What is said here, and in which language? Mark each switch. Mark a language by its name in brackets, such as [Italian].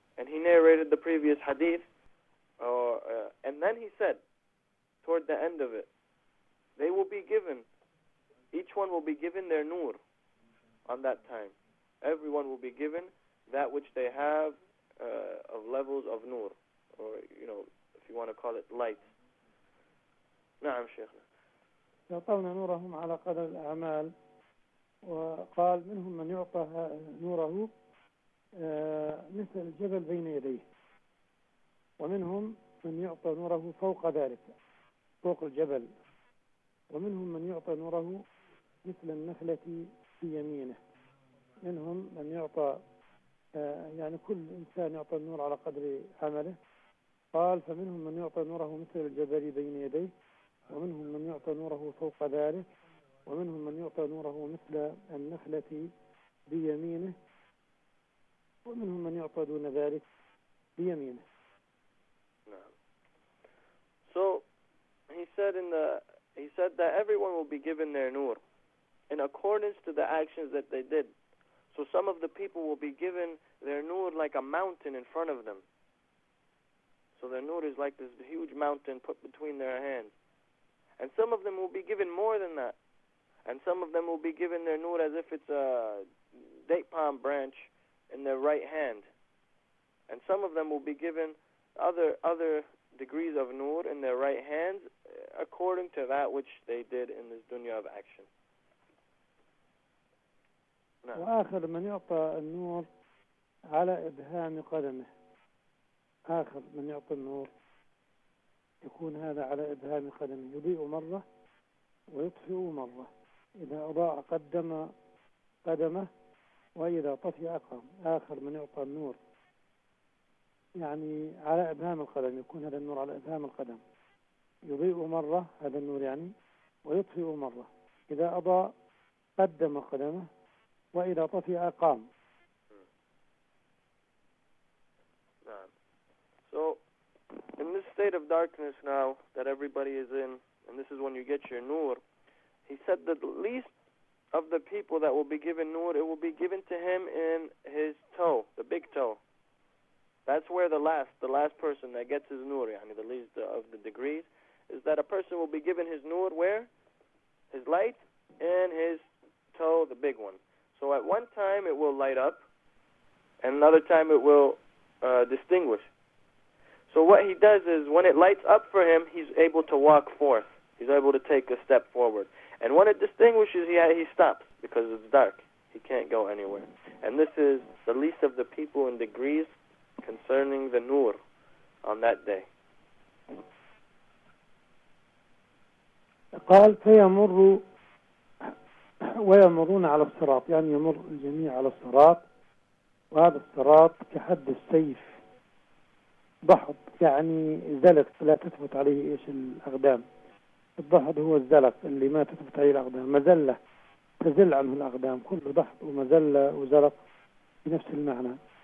[English] And he narrated the previous hadith. And then he said, toward the end of it, they will be given, each one will be given their nur on that time. Everyone will be given that which they have of levels of nur, or, you know, if you want to call it light. [Arabic] Na'am, Shaykh. يعطون نورهم على قدر الأعمال. وقال منهم من يعطى نوره مثل الجبل بين يديه ومنهم من يعطى نوره فوق ذلك فوق الجبل ومنهم من يعطى نوره مثل النخلة في يمينه منهم من يعطى يعني كل إنسان يعطى النور على قدر عمله قال فمنهم من يعطى نوره مثل الجبل بين يديه ومنهم من يعطى نوره فوق ذلك ومنهم من يعطى نوره مثل النخلة بيمينه ومنهم من يعطى دون ذلك بيمينه [English] نعم So he said that everyone will be given their nur in accordance to the actions that they did so some of the people will be given their nur like a mountain in front of them so their nur is like this huge mountain put between their hands and some of them will be given more than that And some of them will be given their nur as if it's a date palm branch in their right hand. And some of them will be given other degrees of nur in their right hands according to that which they did in this dunya of action. [Arabic] وآخر من يعطى النور على إبهام قدمه. آخر من يعطى النور يكون هذا على إبهام قدمه. يضيء مرة ويطفئ مرة. إذا أضاء قدمه وإذا طفي أقام آخر من يعطى النور يعني على إبهام القدم يكون هذا النور على إبهام القدم يضيء مرة هذا النور يعني ويطفئ مرة إذا أضاء قدم قدمه وإذا طفي أقام [English] نعم So in this state of darkness now that everybody is in and this is when you get your nur He said that the least of the people that will be given nur, it will be given to him in his toe, the big toe. That's where the last person that gets his nur, yani the least of the degrees, is that a person will be given his nur where? His light in his toe, the big one. So at one time it will light up, and another time it will distinguish. So what he does is when it lights up for him, he's able to walk forth. He's able to take a step forward. And when it distinguishes, he stops because it's dark. He can't go anywhere. And this is the least of the people in degrees concerning the nur on that day. [Arabic] قال فيمر ويمرون على الصراط يعني يمر الجميع على الصراط وهذا الصراط كحد السيف ضحض يعني زلق لا تثبت عليه إيش الأقدام الضحض هو الزلق اللي ما تثبت عليه الأقدام مزلة تزل عنه الأقدام كل ضحض ومزلة وزلق بنفس المعنى